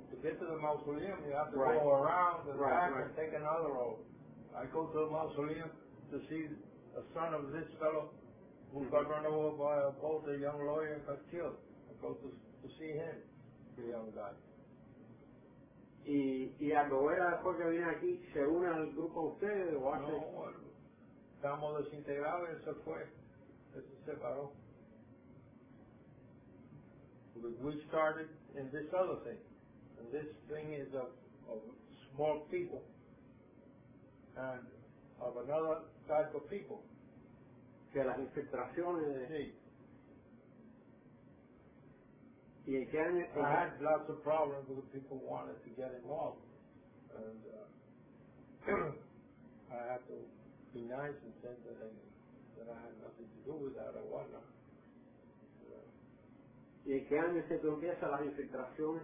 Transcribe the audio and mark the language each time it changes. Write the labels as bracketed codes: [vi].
[en] To get to the mausoleum, you have to go around the back and take another road. I go to the mausoleum to see a son of this fellow who got run over by a boat, a young lawyer, got killed. I go to see him, the young guy. [es] Y a novela después que viene aquí, ¿se une al grupo de ustedes o hace...? No, estamos desintegrados, eso fue, eso se separó. [en] We started in this other thing, and this thing is of small people, and of another type of people. [es] Que las infiltraciones de... Sí. [en] Y again, I had lots of problems with the people who wanted to get involved. And I had to be nice and say that I had nothing to do with that or whatnot. [es] ¿Y en qué año se empieza la infiltración?